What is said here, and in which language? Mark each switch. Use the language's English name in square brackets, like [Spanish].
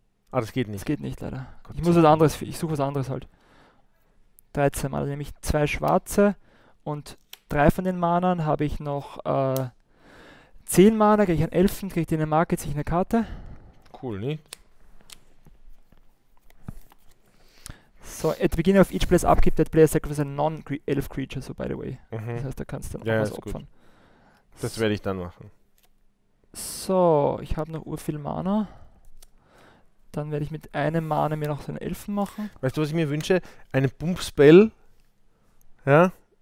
[German] Ah, das geht nicht. Das geht nicht, leider. Gott, ich muss was anderes, ich suche was anderes halt. 13 Mana, nehme ich 2 schwarze und 3 von den Manern habe ich noch. 10 Mana, kriege ich einen Elfen, kriege ich den Market, ziehe ich eine Karte. Cool, ne? [English] So, at the beginning of each player's upkeep, that player sacrifices a non-elf creature, so by the way. [German] Das heißt, da kannst du dann auch was opfern. Gut. Das werde ich dann machen. So, ich habe noch urviel Mana. Dann werde ich mit einem Mana mir noch so einen Elfen machen. Weißt du, was ich mir wünsche? Einen Pump-Spell. Ja?